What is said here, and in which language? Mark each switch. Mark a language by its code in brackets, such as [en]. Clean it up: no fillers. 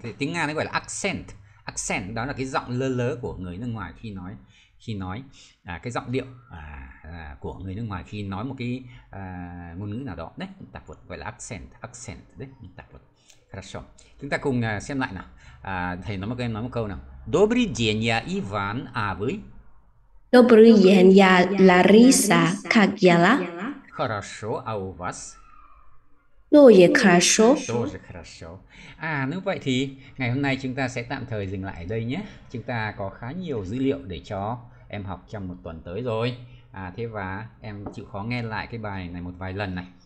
[vi] Thì tiếng Nga nó gọi là accent. Accent đó là cái giọng lơ lớ của người nước ngoài khi nói. Khi nói cái giọng điệu của người nước ngoài khi nói một cái ngôn ngữ nào đó đấy, tạp vật gọi là accent, accent đấy, tạp vật. [ru] Хорошо. [vi] Chúng ta cùng xem lại nào. Thầy nói một câu, em nói một câu nào. [ru] Добрый день, я Иван, а вы? Добрый день, я Лариса, как дела? Хорошо, а у вас? [vi] Tôi về хорошо. [ru] Тоже хорошо. [vi] À, nếu vậy thì ngày hôm nay chúng ta sẽ tạm thời dừng lại ở đây nhé. Chúng ta có khá nhiều dữ liệu để cho em học trong một tuần tới rồi. À, thế và em chịu khó nghe lại cái bài này một vài lần này.